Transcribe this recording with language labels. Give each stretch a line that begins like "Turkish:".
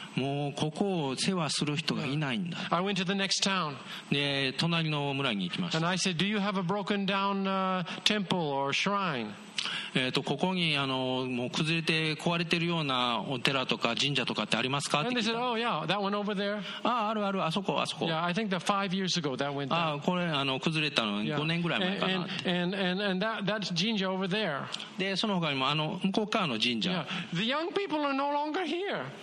Japanese: もうここを世話する人がいないんだ。
English: I went to the next town.
Japanese: で隣の村に行きました。
English: And I said, Do you have a broken down, temple? Or shrine.
Japanese: ここにもう崩れて壊れてるようなお寺とか神社とかってありますかって聞いた。
English: And they said, Oh, yeah, that one over there.
Japanese: ああ、あるある、あそこ、あそこ。
English: Yeah, I think that five years ago that went down.
Japanese: ああ、これ崩れたの5年ぐらい前かなって。
English: And that's Jinja over there.
Japanese: で、その他にも向こう側の神社。
English: Yeah. The young people are no longer here.